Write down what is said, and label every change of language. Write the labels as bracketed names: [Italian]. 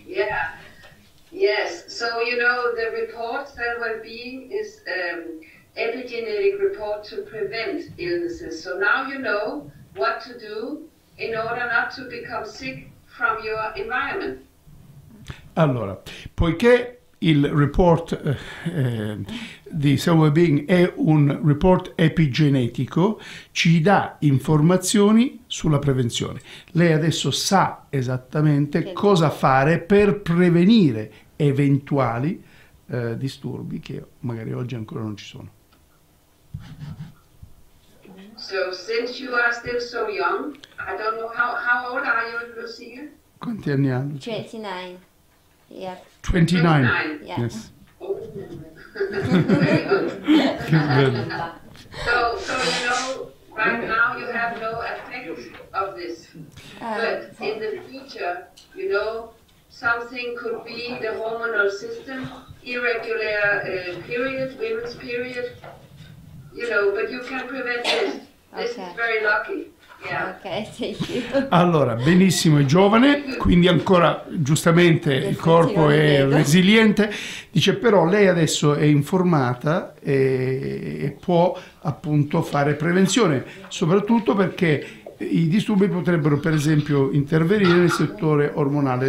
[English] Yeah, yes. So, you know, the report that well-being is epigenetic report to prevent illnesses. So now you know what to do in order not to become sick from your environment. [Italian] Allora, poiché il report di Sauer Being è un report epigenetico, ci dà informazioni sulla prevenzione. Lei adesso sa esattamente cosa fare per prevenire eventuali disturbi che magari oggi ancora non ci sono. [English] So since you are still so young, I don't know how old are you, Lucia? [Italian] Quanti anni ha? 29. [English] Yes. So you know, right now you have no effect of this. But in the future, you know, something could be the hormonal system, irregular period, women's period, you know, but you can prevent this. This okay. is very lucky. Okay, [Italian] allora, benissimo, è giovane, quindi ancora giustamente il corpo è resiliente. Dice però lei adesso è informata e può appunto fare prevenzione, soprattutto perché i disturbi potrebbero per esempio intervenire nel settore ormonale.